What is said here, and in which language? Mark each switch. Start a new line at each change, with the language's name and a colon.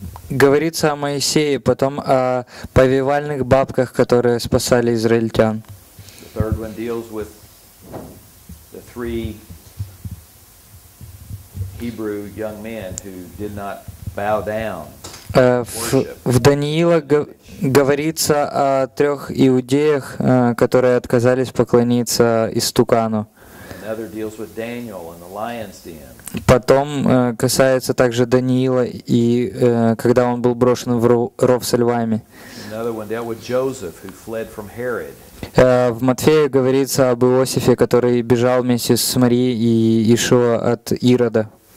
Russian: Говорится о Моисее, потом о повивальных бабках, которые спасали израильтян.
English: Third one deals with the three Hebrew young men who did not bow down.
Russian: В Даниила говорится о трех иудеях, которые отказались поклониться истукану.
English: Another deals with Daniel and the lion's den.
Russian: Потом касается также Даниила и когда он был брошен в ров со львами.
English: Another one dealt with Joseph who fled from Herod.
Russian: В Матфея говорится об Иосифе, который бежал вместе с Марией и Иешуа от Ирода.